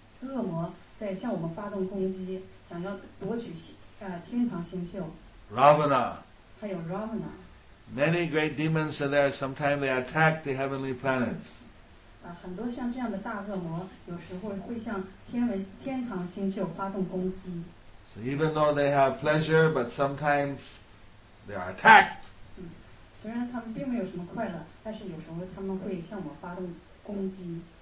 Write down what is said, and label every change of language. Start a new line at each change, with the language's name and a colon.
Chinese: 恶魔在向我们发动攻击，想要夺取天堂星宿。
English: Ravana，
Chinese: 还有 Ravana。
English: Many great demons are there. Sometimes they attack the heavenly planets.
Chinese: 很多像这样的大恶魔，有时候会向天堂星宿发动攻击。
English: So even though they have pleasure, but sometimes they are attacked.
Chinese: 虽然他们并没有什么快乐，但是有时候他们会向我发动攻击。